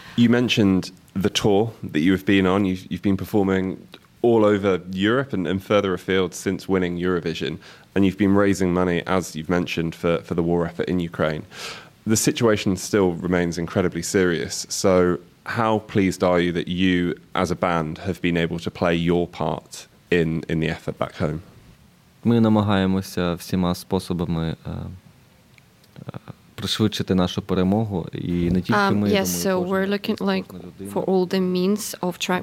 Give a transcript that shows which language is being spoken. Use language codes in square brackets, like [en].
[en] You mentioned the tour that you have been on. You've been performing all over Europe and further afield since winning Eurovision. And you've been raising money, as you've mentioned, for the war effort in Ukraine. The situation still remains incredibly serious. So how pleased are you that you, as a band, have been able to play your part in the effort back home? [uk] Ми намагаємося всіма способами пришвидшити нашу перемогу, і не тільки ми. [en] Yes, so we're looking like for all the means of trying.